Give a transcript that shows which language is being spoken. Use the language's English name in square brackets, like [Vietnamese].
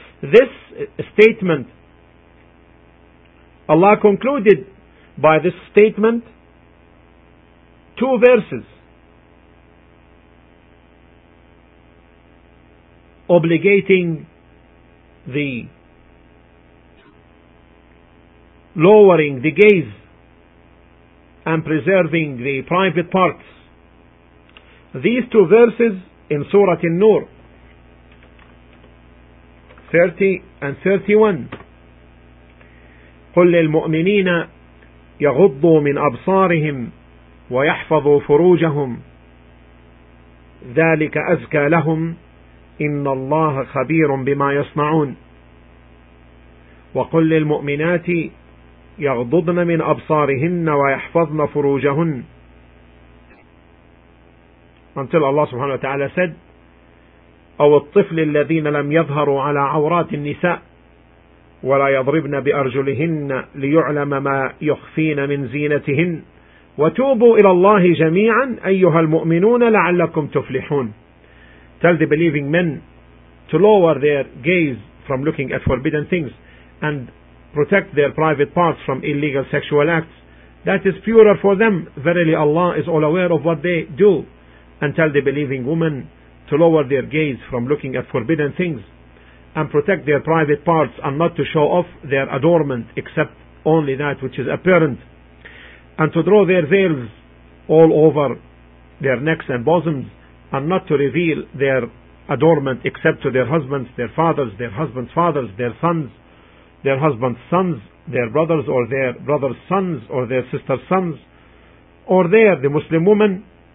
[English] This statement, Allah concluded by this statement two verses obligating the lowering the gaze and preserving the private parts. These two verses in Surah An-Nur, 30 and 31. [Arabic] قل للمؤمنين يغضوا من أبصارهم ويحفظوا فروجهم ذلك أزكى لهم إن الله خبير بما يصنعون. وقل للمؤمنات يغضضن من أبصارهن ويحفظن فروجهن. [English] Until Allah subhanahu wa ta'ala said, [Arabic] أو الطفل الذين لم يظهروا على عورات النساء ولا يضربن بأرجلهن ليعلم ما يخفين من زينتهن وتوبوا إلى الله جميعا أيها المؤمنون لعلكم تفلحون. [English] Tell the believing men to lower their gaze from looking at forbidden things and protect their private parts from illegal sexual acts. That is purer for them. Verily Allah is all aware of what they do. And tell the believing women to lower their gaze from looking at forbidden things and protect their private parts and not to show off their adornment except only that which is apparent, and to draw their veils all over their necks and bosoms and not to reveal their adornment except to their husbands, their fathers, their husbands' fathers, their sons, their husbands' sons, their brothers or their brothers' sons or their sisters' sons, or their, the Muslim woman,